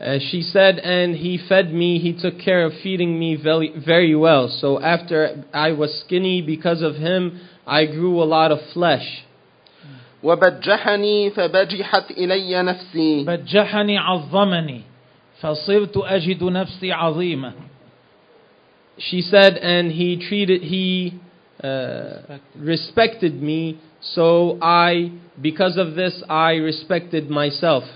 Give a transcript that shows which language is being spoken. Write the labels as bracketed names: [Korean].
[English] She said, and he fed me, he took care of feeding me very, very well. So after I was skinny because of him, I grew a lot of flesh. [Arabic] وبجحني فبجحت إلي نفسي بجحني عظمني فصرت أجد نفسي عظيمة. [English] She said, and he treated, he respected me, so I, because of this, I respected myself.